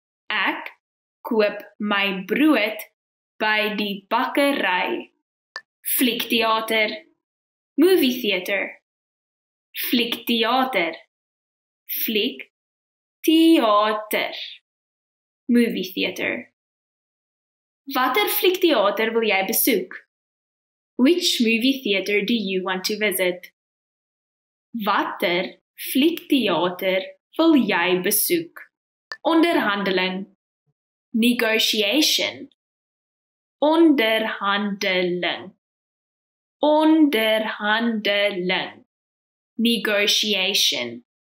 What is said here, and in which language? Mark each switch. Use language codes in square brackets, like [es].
[af] Ek koop my brood by die bakkery. Fliekteater. [en] Movie theater. [af] Fliekteater. Fliekteater. [en] Movie theater. [af] Watter fliekteater wil jy besoek? [en] Which movie theater do you want to visit? [af] Watter fliekteater wil jy besoek? Onderhandeling. [en] Negotiation. [af] Onderhandeling. Onderhandeling. [en] Negotiation.